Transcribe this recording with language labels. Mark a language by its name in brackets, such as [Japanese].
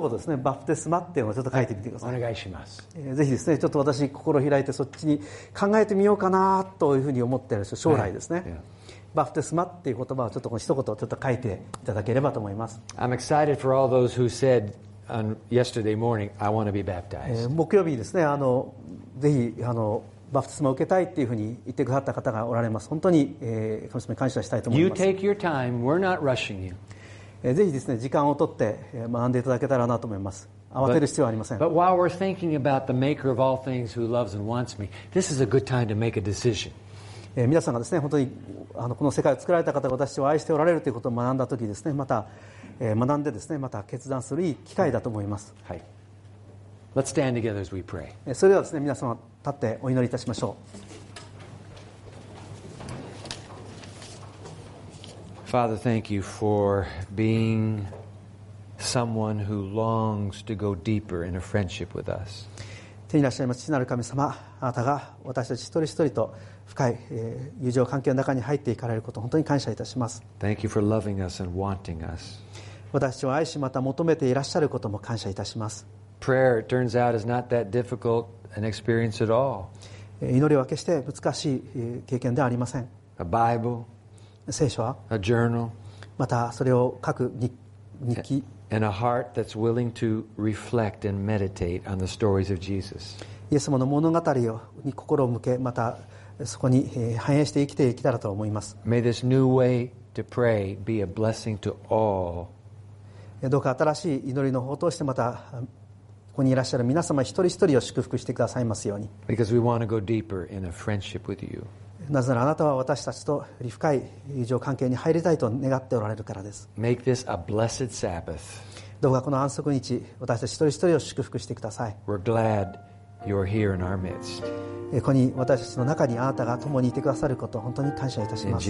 [Japanese] 言ですね、バプテスマっていうのをちょっと書いてみてください。お願いします。ぜひですね、ちょっと私心を開いてそっちに考えてみようかなというふうに思っている人、将来ですね、バプテスマっていう言葉をちょっと一言ちょっと書いていただければと思います。 [English] I'm excited for all those who said on yesterday morning I want to be baptized。 [Japanese] 木曜日ですね、ぜひバプテスマを受けたいっていうふうに言ってくださった方がおられます。本当に、神様に感謝したいと思います。 [English] You take your time. We're not rushing you. [Japanese] ぜひですね、時間を取って学んでいただけたらなと思います。慌てる必要はありません。 [English] but while we're thinking about the maker of all things who loves and wants me, this is a good time to make a decision. [Japanese] 皆さんがですね、本当にこの世界を作られた方が私を愛しておられるということを学んだときですね、また、学んでですね、また決断するいい機会だと思います。はい。 [English] Let's stand together as we pray. [Japanese] それではですね、皆様立ってお祈りいたしましょう。 [English] Father, thank you for being someone who longs to go deeper in a friendship with us. [Japanese] 天にいらっしゃいます父なる神様、あなたが私たち一人一人と深い、友情関係の中に入っていかれることを本当に感謝いたします。 [English] Thank you for loving us and wanting us. [Japanese] 私たちを愛しまた求めていらっしゃることも感謝いたします。 [English] Prayer, it turns out, is not that difficult an experience at all. [Japanese] 祈りは決して難しい経験ではありません。 [English] A Bible, [Japanese] 聖書は、 [English] a journal, [Japanese] またそれを書く日記、 [English] and a heart that's willing to reflect and meditate on the stories of Jesus. [Japanese] イエス様の物語に心を向け、またそこに反映して生きていけたらと思います。 [English] May this new way to pray be a blessing to all. [Japanese] どうか新しい祈りの方としてまたここにいらっしゃる皆様一人一人を祝福してくださいますように。 [English] Because we want to go deeper in a friendship with you. [Japanese] なぜならあなたは私たちとより深い友情関係に入りたいと願っておられるからです。 [English] Make this a blessed Sabbath. [Japanese] どうかこの安息日、私たち一人一人を祝福してください。 [English] We're glad you're here in our midst. [Japanese] ここに私たちの中にあなたが共にいてくださることを本当に感謝いたします。